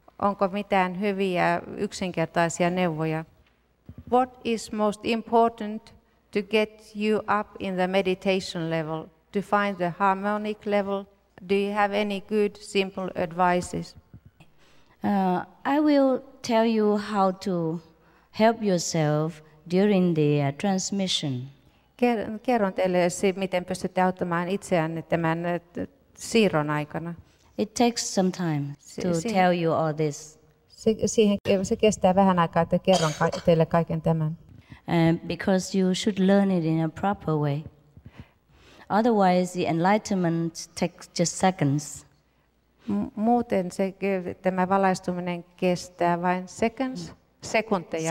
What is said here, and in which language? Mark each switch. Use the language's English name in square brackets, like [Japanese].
[Finnish] Onko mitään hyviä yksinkertaisia neuvoja? [English] What is most important to get you up in the meditation level, to find the harmonic level? Do you have any good simple advices? I will tell you how to help yourself during the transmission. [Finnish] Kerron teille, miten pystytte auttamaan itseänne tämän siirron aikana. [English] It takes some time to tell you all this. [Finnish] Se kestää vähän aikaa, että kerron teille kaiken tämän. [English] Because you should learn it in a proper way. Otherwise, the enlightenment takes just seconds. [Finnish] Muuten se, tämä valaistuminen kestää vain seconds, sekunteja.